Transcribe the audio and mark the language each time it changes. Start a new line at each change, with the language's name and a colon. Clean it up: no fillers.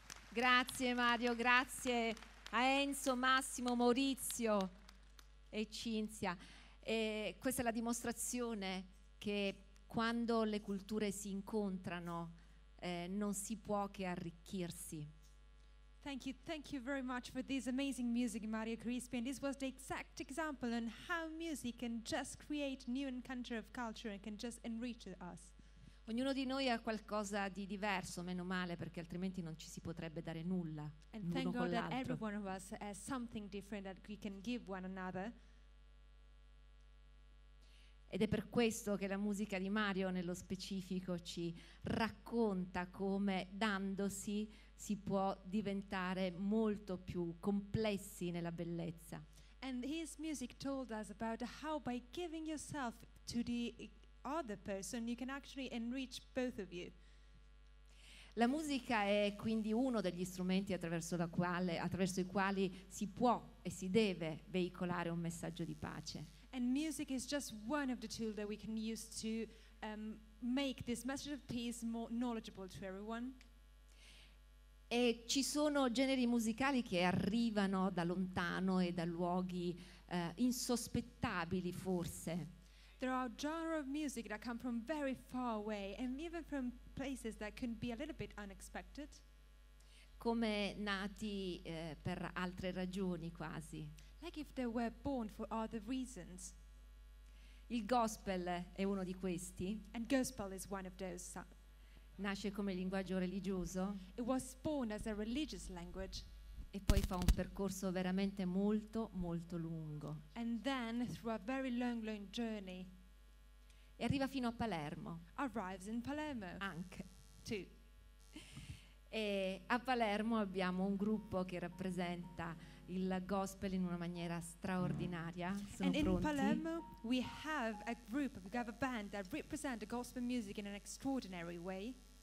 Italian: Grazie Mario, grazie a Enzo, Massimo, Maurizio e Cinzia. E questa è la dimostrazione che quando le culture si incontrano non si può che arricchirsi.
English: Thank you very much for this amazing music, Mario Crispi. And this was the exact example on how music can just create new encounter of culture and can just enrich us.
Italian: Ognuno di noi ha qualcosa di diverso, meno male, perché altrimenti non ci si potrebbe dare nulla.
English: And thank God that every one of us has something different that we can give one another.
Italian: Ed è per questo che la musica di Mario, nello specifico, ci racconta come dandosi si può diventare molto più complessi nella bellezza.
English: And his music told us about how by giving yourself to the other person you can actually enrich both of you.
Italian: La musica è quindi uno degli strumenti attraverso la quale, attraverso i quali si può e si deve veicolare un messaggio di pace.
English: And music is just one of the tools that we can use to make this message of peace more knowledgeable to everyone.
Italian: E ci sono generi musicali che arrivano da lontano e da luoghi insospettabili forse.
English: There are genres of music that come from very far away and even from places that can be a little bit unexpected.
Italian: Come nati per altre ragioni quasi.
English: Like if they were born for other reasons.
Italian: Il gospel è uno di questi.
English: And gospel is one of those.
Italian: Nasce come linguaggio religioso.
English: It was born as a religious language.
Italian: E poi fa un percorso veramente molto, molto lungo.
English: And then through a very long, long journey.
Italian: E arriva fino a Palermo.
English: Arrives in Palermo.
Italian: Anche.
English: Too.
Italian: E a Palermo abbiamo un gruppo che rappresenta il gospel in una maniera straordinaria. Sono
English: and
Italian: pronti.
English: In Palermo we have a group, we have a band that represent the gospel music in an extraordinary way.